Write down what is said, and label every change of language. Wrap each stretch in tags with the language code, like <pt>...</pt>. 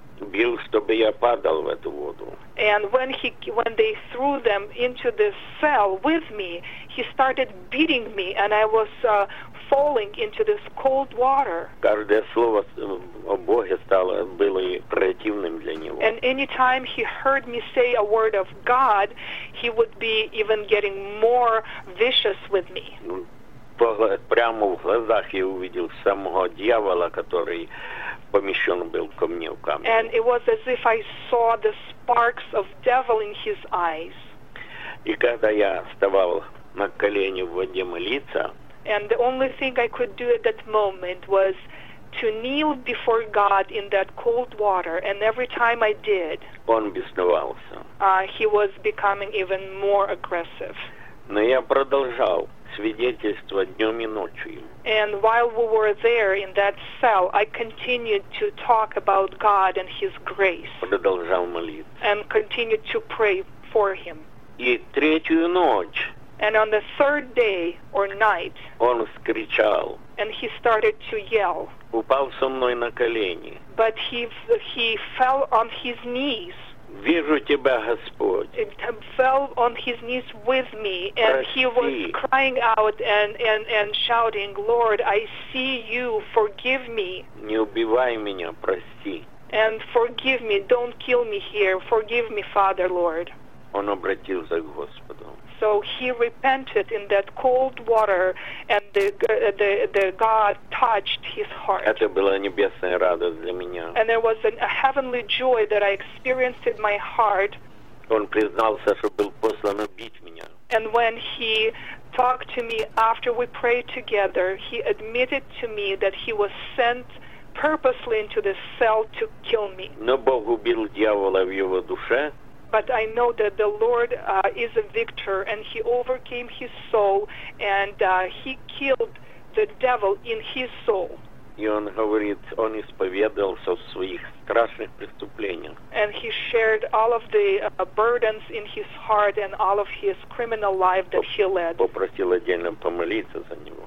<ru>Бил, чтобы я падал в эту воду.</ru> <en>And when they threw them into the cell with me, he started beating me, and I was falling into this cold water.</en> <ru>Каждое слово о Боге стало было противным для него.</ru> <en>And any time he heard me say a word of God, he would be even getting more vicious with me.</en> <ru>Прямо в глазах я увидел самого дьявола, который помещен был ко мне в камеру.</ru> <en>And it was as if I saw the sparks of devil in his eyes.</en> <ru>И когда я вставал на колени в воде молиться,</ru> <en>and the only thing I could do at that moment was to kneel before God in that cold water, and every time I did,</en> <ru>он бесновался.</ru> <en>He was becoming even more aggressive.</en> <ru>Но я продолжал свидетельствовать днем и ночью.</ru> <en>And while we were there in that cell, I continued to talk about God and His grace.</en> <ru>Продолжал молиться.</ru> <en>And continued to pray for Him.</en> <ru>И третью ночь.</ru> <en>And on the third day or night.</en> <ru>Он вскричал.</ru> <en>And he started to yell.</en> <ru>Упал со мной на колени.</ru> <en>But he fell on his knees.</en> <ru>Вижу тебя, Господь.</ru> <en>It fell on his knees with me, and</en> <ru>прости.</ru> <en>He was crying out and shouting, Lord, I see you, forgive me.</en> <ru>Не убивай меня, прости.</ru> <en>And forgive me, don't kill me here, forgive me, Father, Lord.</en> <ru>Он обратился к Господу.</ru> <en>So he repented in that cold water, and the God touched his heart.</en> <ru>Это была небесная радость для меня.</ru> <en>And there was a heavenly joy that I experienced in my heart.</en> <ru>Он признался, что был послан убить меня.</ru> <en>And when he talked to me after we prayed together, he admitted to me that he was sent purposely into this cell to kill me.</en> <ru>Но Бог убил дьявола в его душе.</ru> <en>But I know that the Lord is a victor, and he overcame his soul, and he killed the devil in his soul.</en> <ru>И он говорит, он исповедовался в своих страшных преступлениях.</ru> <en>And he shared all of the burdens in his heart and all of his criminal life that he led.</en> <ru>Попросил отдельно помолиться за него.</ru>